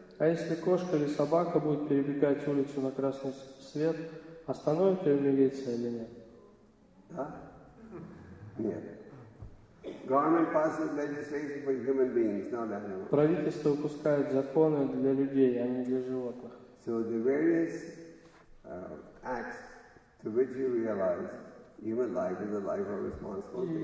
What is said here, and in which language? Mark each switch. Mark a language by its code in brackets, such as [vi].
[ru] А если кошка или собака будет перебегать улицу на красный свет, остановит ее милиция или нет? Да? Нет. [en] Government passes legislation for human beings, not animals. [ru] Правительство выпускает законы для людей, а не для животных. [en] So the various acts to which you realize human life is a life of responsibility.